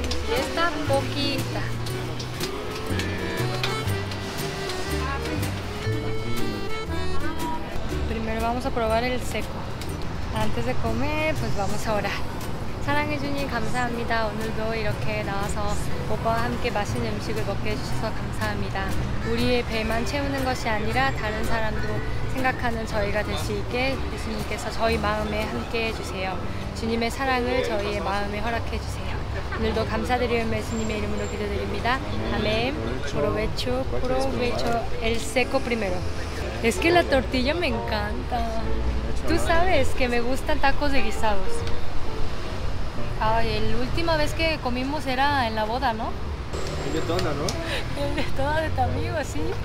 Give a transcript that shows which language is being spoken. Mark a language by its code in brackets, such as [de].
[es] Y esta poquita. Primero vamos a probar el seco. Antes de comer, pues vamos a orar. [ko] 사랑해 주님 감사합니다. 오늘도 이렇게 나와서 오빠와 함께 맛있는 음식을 먹게 해주셔서 감사합니다. 우리의 배만 채우는 것이 아니라 다른 사람도 생각하는 저희가 될 수 있게 예수님께서 저희 마음에 함께 해주세요. 주님의 사랑을 저희의 마음에 허락해 주세요. 오늘도 감사드리며 예수님의 이름으로 기도드립니다. [es] 아멘. Provecho, provecho. El seco primero. Es que la tortilla me encanta. Tú sabes que me gustan tacos de guisados. Ay, la última vez que comimos era en la boda, ¿no? El de Tona, ¿no? El de Tona de tu amigo, sí.